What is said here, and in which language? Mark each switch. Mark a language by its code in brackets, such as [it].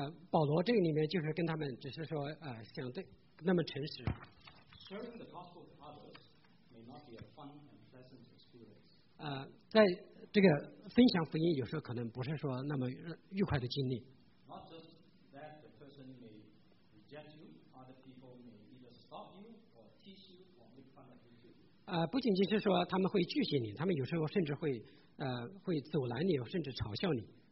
[zh] 保罗这个里面就是跟他们只是说相对。那么诚实。 [en] Sharing the gospel with others may not be a fun and pleasant experience. [zh] 在这个分享福音有时候可能不是说那么愉快的经历。 [en] Not just that the person may reject you, other people may either stop you or tease you or make fun of you. [zh] 不仅仅是说他们会拒绝你，他们有时候甚至会会阻拦你，甚至嘲笑你。